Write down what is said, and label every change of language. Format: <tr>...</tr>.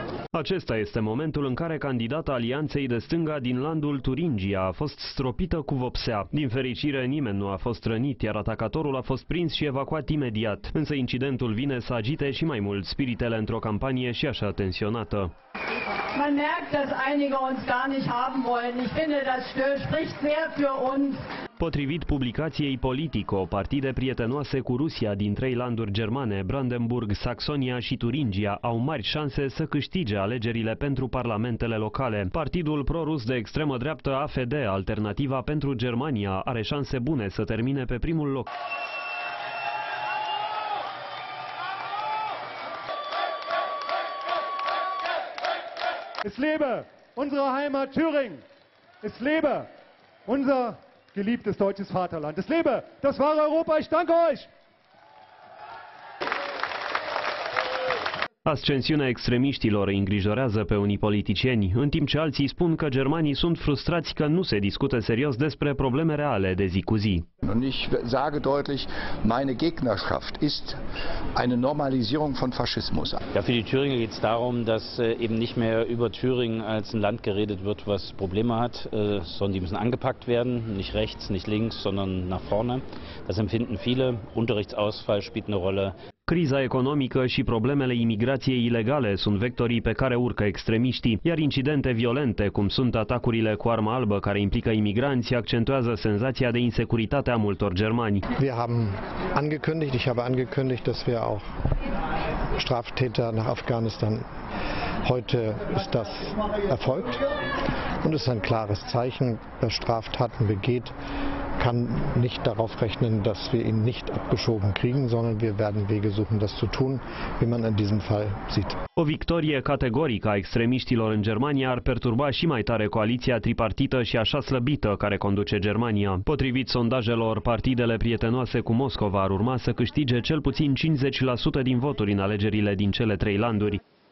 <ro>Acesta este momentul în care candidata Alianței de Stânga din landul Turingia a fost stropită cu vopsea. Din fericire, nimeni nu a fost rănit, iar atacatorul a fost prins și evacuat imediat. Însă incidentul vine să agite și mai mult spiritele într-o campanie și așa tensionată.</ro> <de>Man merkt, dass einige uns gar nicht haben wollen. Ich finde, das spricht sehr für uns.</de> <ro>Potrivit publicației Politico, partide prietenoase cu Rusia din trei landuri germane, Brandenburg, Saxonia și Turingia, au mari șanse să câștige alegerile pentru parlamentele locale. Partidul pro-rus de extremă dreaptă AfD, Alternativa pentru Germania, are șanse bune să termine pe primul loc.</ro> <de>Es lebe unsere Heimat Thüringen! Es lebe unser geliebtes deutsches Vaterland. Es lebe das wahre Europa. Ich danke euch.</de> <ro>Ascensiunea extremiștilor îi îngrijorează pe unii politicieni, în timp ce alții spun că germanii sunt frustrați că nu se discută serios despre probleme reale de zi cu zi.</ro> <de>Und ich sage deutlich, meine Gegnerschaft ist eine Normalisierung von Faschismus. Ja, für die Thüringer geht es darum, dass eben nicht mehr über Thüringen als ein Land geredet wird, was Probleme hat, sondern die müssen angepackt werden, nicht rechts, nicht links, sondern nach vorne. Das empfinden viele. Unterrichtsausfall spielt eine Rolle.</de> <ro>Criza economică și problemele imigrației ilegale sunt vectorii pe care urcă extremiștii, iar incidente violente, cum sunt atacurile cu armă albă care implică imigranți, accentuează senzația de insecuritate a multor germani.</ro> <de>Wir haben angekündigt, ich habe angekündigt, dass wir auch Straftäter nach Afghanistan. Heute ist das erfolgt und ist ein klares Zeichen, dass Straftaten begeht. Kann nicht darauf rechnen, dass wir ihn nicht abgeschoben kriegen, sondern wir werden Wege suchen, das zu tun, wie man in diesem Fall sieht.</de> <ro>O victorie categorică a extremiștilor în Germania ar perturba și mai tare coaliția tripartită și așa slăbită care conduce Germania. Potrivit sondajelor, partidele prietenoase cu Moscova ar urma să câștige cel puțin 50% din voturi în alegerile din cele trei landuri.</ro>